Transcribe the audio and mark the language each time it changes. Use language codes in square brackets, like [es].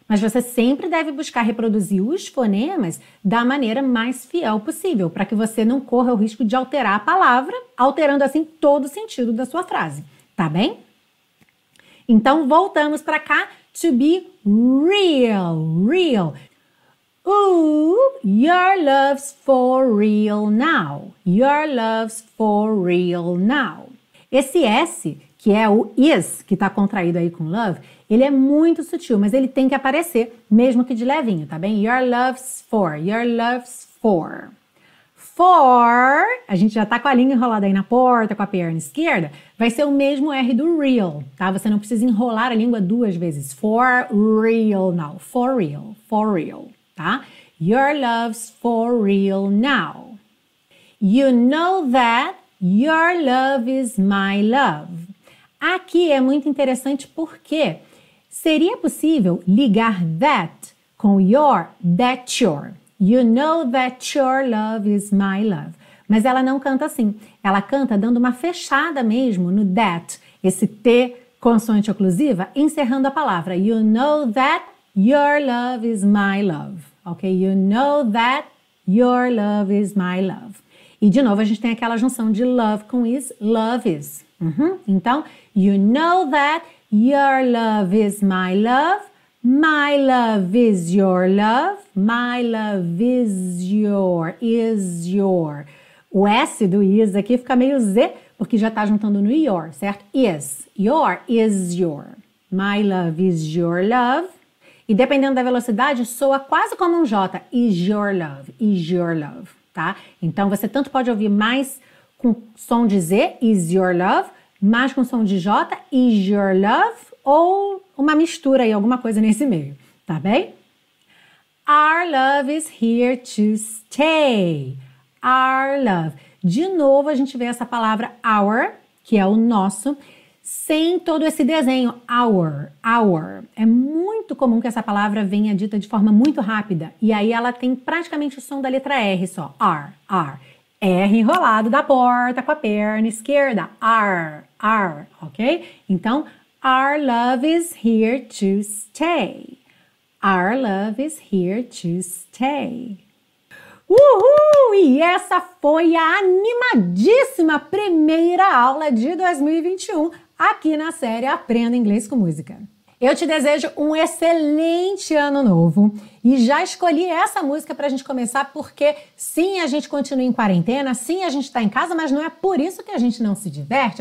[pt] Mas você sempre deve buscar reproduzir os fonemas da maneira mais fiel possível, para que você não corra o risco de alterar a palavra, alterando assim todo o sentido da sua frase, tá bem? Então, voltamos para cá, [en] to be real, real. Ooh, your love's for real now. Your love's for real now. [pt] Esse S, que é o is, que tá contraído aí com love, ele é muito sutil, mas ele tem que aparecer, mesmo que de levinho, tá bem? [en] Your love's for, your love's for. [pt] For, a gente já tá com a língua enrolada aí na porta, com a perna esquerda, vai ser o mesmo R do real, tá? Você não precisa enrolar a língua duas vezes. [en] For real now, for real, for real. Tá? Your love's for real now. You know that your love is my love. [pt] Aqui é muito interessante porque seria possível ligar that com your, that your. [en] You know that your love is my love. [pt] Mas ela não canta assim. Ela canta dando uma fechada mesmo no that, esse T consoante oclusiva, encerrando a palavra. [en] You know that your love is my love. Ok, you know that your love is my love. [pt] E de novo, a gente tem aquela junção de love com is, love is. Uhum. [en] Então, you know that your love is my love is your love, my love is your. [pt] O S do is aqui fica meio Z, porque já tá juntando no your, certo? [en] Is your, my love is your love. [pt] E dependendo da velocidade, soa quase como um J. [en] Is your love, [pt] tá? Então, você tanto pode ouvir mais com som de Z, [en] is your love, [pt] mais com som de J, is your love, ou uma mistura aí, alguma coisa nesse meio, tá bem? [en] Our love is here to stay. Our love. [pt] De novo, a gente vê essa palavra our, que é o nosso, sem todo esse desenho, our, our. É muito comum que essa palavra venha dita de forma muito rápida. E aí ela tem praticamente o som da letra R só. R, R. R enrolado da porta com a perna esquerda. R, R, ok? [en] Então, our love is here to stay. Our love is here to stay. Uhul! [pt] E essa foi a animadíssima primeira aula de 2021 aqui na série Aprenda Inglês com Música. Eu te desejo um excelente ano novo e já escolhi essa música para a gente começar porque sim, a gente continua em quarentena, sim, a gente está em casa, mas não é por isso que a gente não se diverte.